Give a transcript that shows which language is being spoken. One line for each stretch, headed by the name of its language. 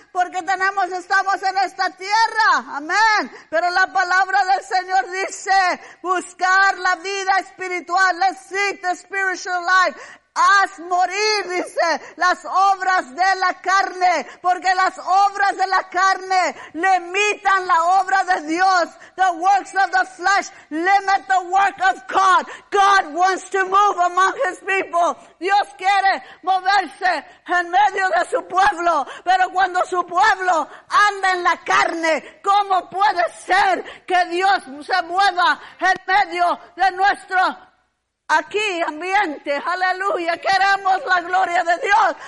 Spanish: Porque tenemos, estamos en esta tierra. Amén. Pero la palabra del Señor dice, buscar la vida espiritual.
English: Let's seek the spiritual life.
Spanish: Haz morir, dice, las obras de la carne. Porque las obras de la carne limitan la obra de Dios.
English: The works of the flesh limit the work of God. God wants to move among his people.
Spanish: Dios quiere moverse en medio de su pueblo. Pero cuando su pueblo anda en la carne, ¿cómo puede ser que Dios se mueva en medio de nuestro aquí, ambiente, aleluya, queremos la gloria de Dios.